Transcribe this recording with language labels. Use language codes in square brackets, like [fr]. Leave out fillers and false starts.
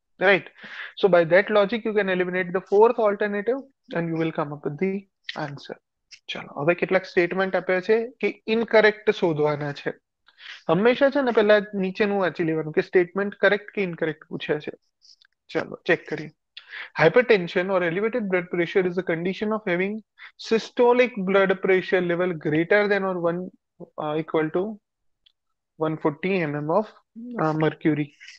[en] Right. So by that logic, you can eliminate the fourth alternative and you will come up with the answer. [gu] ચાલો હવે કેટલાક statement આપ્યા છે કે incorrect શોધવાના છે. હંમેશા છે ને પહેલા નીચેનું વાંચી લેવાનું કે સ્ટેટમેન્ટ કરેક્ટ કે ઇનકરેક્ટ પૂછે છે. ચલો ચેક કરીએ. [en] Hypertension or elevated blood pressure is a condition of having systolic blood pressure level greater than or one equal to 140 mm of mercury.